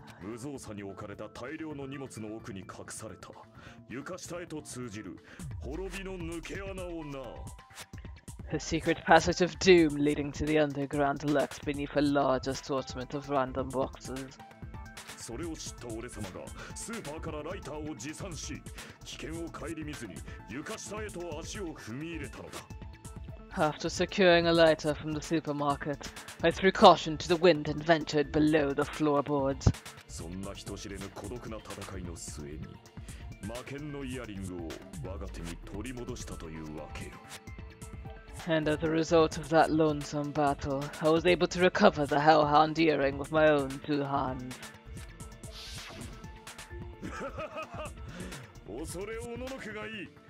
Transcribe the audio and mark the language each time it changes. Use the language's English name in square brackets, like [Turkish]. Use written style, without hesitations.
[Japanese] 無造作に置かれた大量の荷物の奥に隠された床下へと通じる滅びの抜け穴をな。 [English] The secret passage of doom leading to the underground lurks beneath a large assortment of random boxes. [Japanese] それを知った俺様がスーパーからライターを持参し、危険を顧みずに床下へと足を踏み入れたのだ。 [English] After securing a lighter from the supermarket, I threw caution to the wind and ventured below the floorboards. [Japanese] そんな人知れぬ孤独な戦いの末に、魔剣のイヤリングを我が手に取り戻したというわけ。 [English] And as a result of that lonesome battle, I was able to recover the Hellhound earring with my own two hands. [Japanese] ハハハハ、恐れおののけがいい。